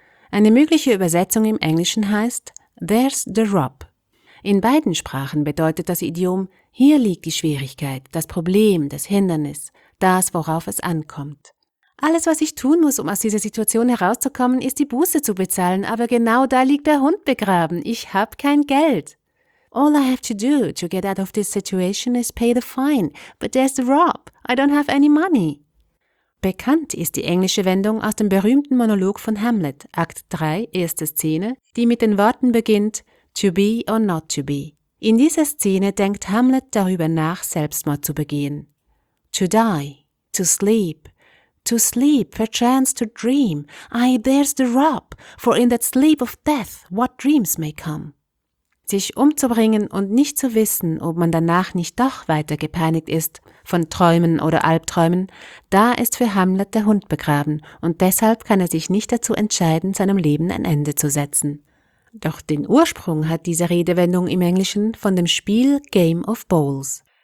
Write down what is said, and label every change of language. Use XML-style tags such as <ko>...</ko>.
<de>Eine mögliche Übersetzung im Englischen heißt</de> <en>There's the rub.</en> <de>In beiden Sprachen bedeutet das Idiom, hier liegt die Schwierigkeit, das Problem, das Hindernis, das, worauf es ankommt. Alles, was ich tun muss, um aus dieser Situation herauszukommen, ist die Buße zu bezahlen, aber genau da liegt der Hund begraben. Ich habe kein Geld.</de> <en>All I have to do to get out of this situation is pay the fine, but there's the rub. I don't have any money.</en> <de>Bekannt ist die englische Wendung aus dem berühmten Monolog von Hamlet, Akt 3, erste Szene, die mit den Worten beginnt,</de> <en>to be or not to be.</en> <de>In dieser Szene denkt Hamlet darüber nach, Selbstmord zu begehen.</de> <en>To die, to sleep, perchance to dream, aye, there's the rub, for in that sleep of death what dreams may come.</en> <de>Sich umzubringen und nicht zu wissen, ob man danach nicht doch weiter gepeinigt ist, von Träumen oder Albträumen, da ist für Hamlet der Hund begraben und deshalb kann er sich nicht dazu entscheiden, seinem Leben ein Ende zu setzen. Doch den Ursprung hat diese Redewendung im Englischen von dem Spiel Game of Bowls.</de>